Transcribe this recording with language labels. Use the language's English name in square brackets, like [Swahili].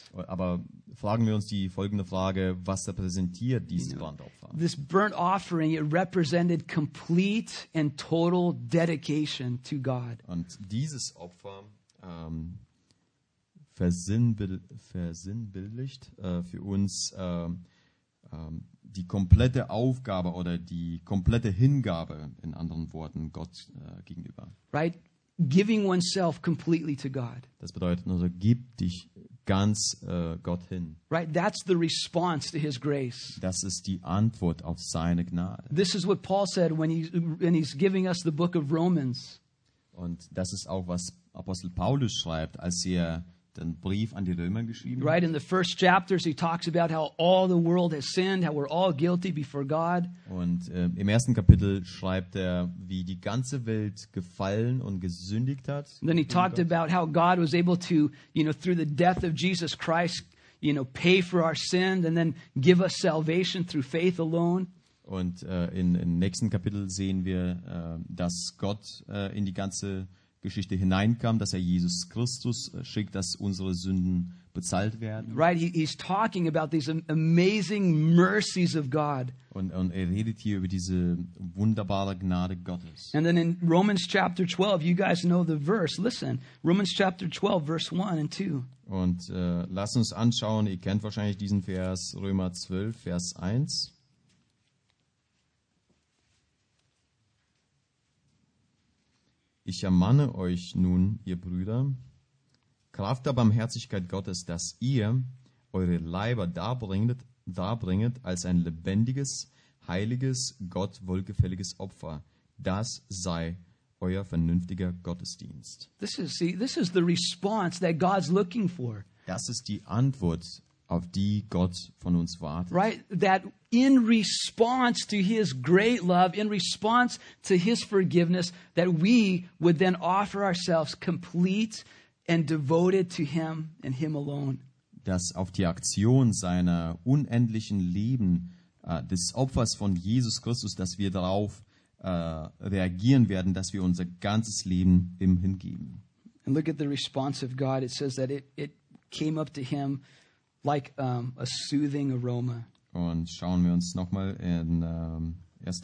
[German] Aber fragen wir uns die folgende Frage, was repräsentiert dieses Brandopfer? [English] This burnt offering, it represented complete and total dedication to God. [German] Und dieses Opfer versinnbildlicht für uns die komplette Aufgabe oder die komplette Hingabe, in anderen Worten, Gott gegenüber. [English] Right? Giving oneself completely to God. [German] Das bedeutet also, gib dich ganz Gott hin. [English] Right? That's the response to his grace. [German] Das ist die Antwort auf seine Gnade. [English] This is what Paul said when he's giving us the book of Romans. [German] Und das ist auch, was Apostel Paulus schreibt, als er den Brief an die Römer geschrieben. [English] Right in the first chapters he talks about how all the world has sinned, how we're all guilty before God. [German] Und im ersten Kapitel schreibt er, wie die ganze Welt gefallen und gesündigt hat. [English] And then he talked about how God was able to, you know, through the death of Jesus Christ, you know, pay for our sin and then give us salvation through faith alone. [German] Und im nächsten Kapitel sehen wir, dass Gott in die ganze Geschichte hineinkam, dass er Jesus Christus schickt, dass unsere Sünden bezahlt werden. [English] Right, he's talking about these amazing mercies of God. [German] Und er redet hier über diese wunderbare Gnade Gottes. [English] And then in Romans chapter 12, you guys know the verse. Listen, Romans chapter 12, verse 1 and 2. [German] Und lasst uns anschauen, ihr kennt wahrscheinlich diesen Vers, Römer 12, Vers 1. Ich ermahne euch nun, ihr Brüder, Kraft der Barmherzigkeit Gottes, dass ihr eure Leiber darbringet als ein lebendiges, heiliges, Gott wohlgefälliges Opfer. Das sei euer vernünftiger Gottesdienst. [English] This is the response that God's looking for. [German] Das ist die Antwort, auf die Gott von uns wartet. [English] Right, that in response to his great love, in response to his forgiveness, that we would then offer ourselves complete and devoted to him and him alone. [German] Dass auf die Aktion seiner unendlichen Liebe, des Opfers von Jesus Christus, dass wir darauf reagieren werden, dass wir unser ganzes Leben ihm hingeben. [English] And look at the response of God. It says that it came up to him like a soothing aroma. [German] Und schauen wir uns nochmal in 1.